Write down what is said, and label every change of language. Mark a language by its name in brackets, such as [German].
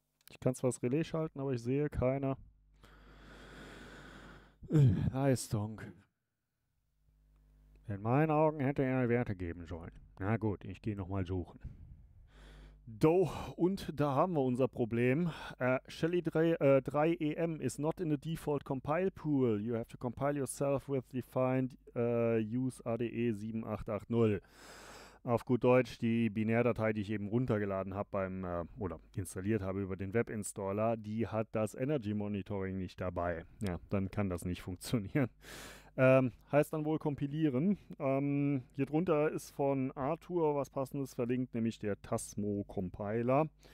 [German] Ich kann zwar das Relais schalten, aber ich sehe keine Leistung. In meinen Augen hätte er Werte geben sollen. Na gut, ich gehe nochmal suchen. Do, und da haben wir unser Problem. [English] Shelly 3EM is not in the default compile pool. You have to compile yourself with defined use ADE 7880. [German] Auf gut Deutsch, die Binärdatei, die ich eben runtergeladen habe oder installiert habe über den Webinstaller, die hat das Energy Monitoring nicht dabei. Ja, dann kann das nicht funktionieren. Heißt dann wohl kompilieren. Hier drunter ist von Arthur was Passendes verlinkt, nämlich der Tasmo Compiler.